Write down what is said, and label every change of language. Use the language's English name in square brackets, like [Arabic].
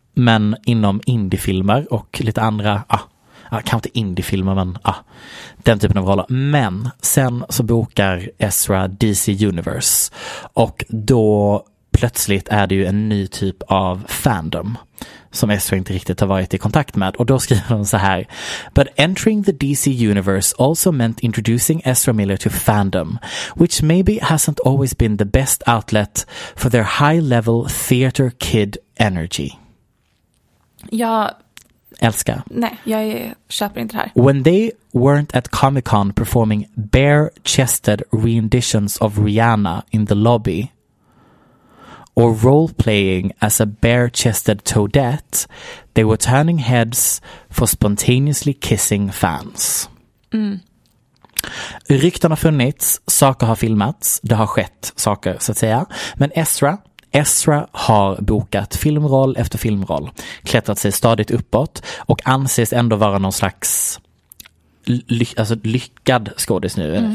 [Swedish] Men inom indiefilmer och lite andra, kanske inte indiefilmer men den typen av roller. Men sen så bokar Ezra DC Universe. Och då plötsligt är det ju en ny typ av fandom som Ezra inte riktigt har varit i kontakt med. Och då skriver de så här, [English] but entering the DC universe also meant introducing Ezra Miller to fandom, which maybe hasn't always been the best outlet for their high level theater kid energy. [Swedish] Ja, älska. Nej, jag köper inte det här. [English] When they weren't at Comic-Con performing bare-chested renditions of Rihanna in the lobby or role-playing as a bare-chested Toadette, they were turning heads for spontaneously kissing fans. Mm. [Swedish] Rykten har funnits, saker har filmats, det har skett saker så att säga. Men Ezra har bokat filmroll efter filmroll, klättrat sig stadigt uppåt och anses ändå vara någon slags lyckad skådis nu. Mm.